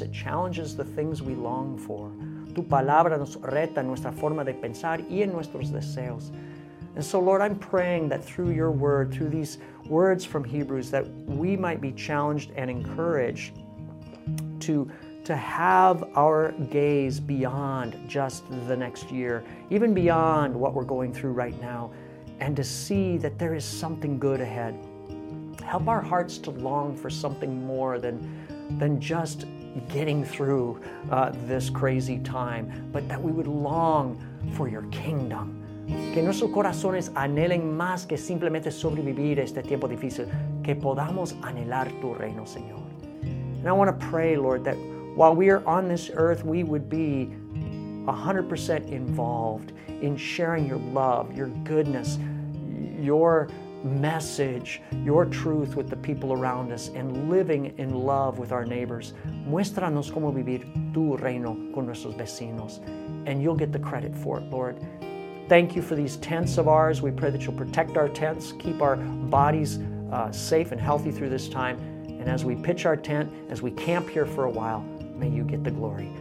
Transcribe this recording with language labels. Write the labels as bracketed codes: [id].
[en] It challenges the things we long for. [es] Tu palabra nos reta en nuestra forma de pensar y en nuestros deseos. [en] And so, Lord, I'm praying that through your word, through these words from Hebrews, that we might be challenged and encouraged to have our gaze beyond just the next year, even beyond what we're going through right now, and to see that there is something good ahead. Help our hearts to long for something more than just getting through this crazy time, but that we would long for your kingdom. [es] Que nuestros corazones anhelen más que simplemente sobrevivir este tiempo difícil. Que podamos anhelar tu reino, Señor. [en] And I want to pray, Lord, that while we are on this earth, we would be 100% involved in sharing your love, your goodness, your message, your truth with the people around us and living in love with our neighbors. [es] Muéstranos cómo vivir tu reino con nuestros vecinos. [en] And you'll get the credit for it, Lord. Thank you for these tents of ours. We pray that you'll protect our tents, keep our bodies safe and healthy through this time. And as we pitch our tent, as we camp here for a while, may you get the glory.